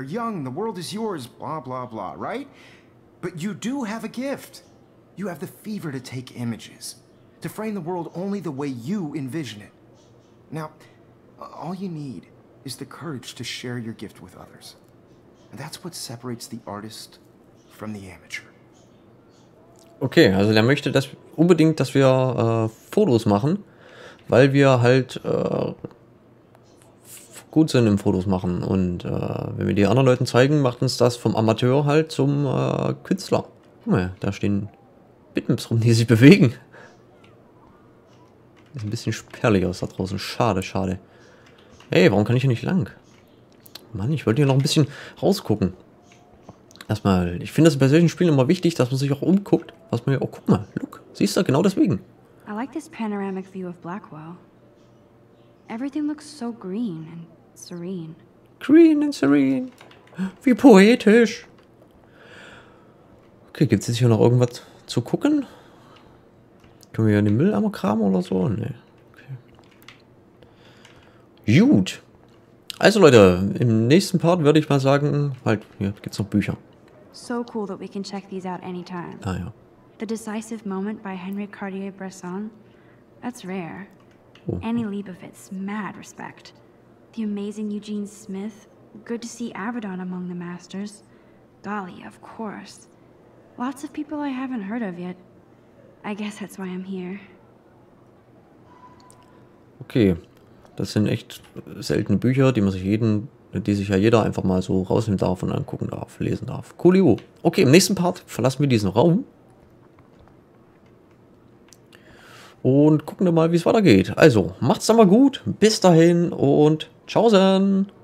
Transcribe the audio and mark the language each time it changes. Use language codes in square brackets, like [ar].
[en] You're young, the world is yours, blah, blah, blah, right? But you do have a gift. You have the fever to take images, to frame the world only the way you envision it. Now, all you need is the courage to share your gift with others. And that's what separates the artist from the amateur. [de] Okay, also der möchte das unbedingt, dass wir Fotos machen, weil wir halt gut sind im Fotos machen. Und wenn wir die anderen Leuten zeigen, macht uns das vom Amateur halt zum Künstler. Guck mal, da stehen Bitmaps rum, die sich bewegen. Ist ein bisschen spärlich aus da draußen. Schade, schade. Hey, warum kann ich hier nicht lang? Mann, ich wollte hier noch ein bisschen rausgucken. Erstmal, ich finde es bei solchen Spielen immer wichtig, dass man sich auch umguckt, was man hier... Oh, guck mal, look, siehst du, genau deswegen. [en] I like this panoramic view of Blackwell. Everything looks so green and serene. Green and serene. [de] Wie poetisch. Okay, gibt es jetzt hier noch irgendwas zu gucken? Können wir hier in den Mülleimer kramen oder so? Nee. Okay. Gut. Also Leute, im nächsten Part würde ich mal sagen, halt, hier gibt's noch Bücher. [en] So cool that we can check these out anytime. [de] Ah ja. [en] The Decisive Moment by Henri Cartier-Bresson. That's rare. Oh. Annie Leibovitz, mad respect. The amazing Eugene Smith. Good to see Avedon among the masters. Dali, of course. Lots of people I haven't heard of yet. I guess that's why I'm here. Okay. [de] Das sind echt seltene Bücher, die man sich jeden, die sich ja jeder einfach mal so rausnehmen darf und angucken darf, lesen darf. Coolio. Okay, im nächsten Part verlassen wir diesen Raum. Und gucken dann mal, wie es weitergeht. Also, macht's dann mal gut. Bis dahin und tschaußen.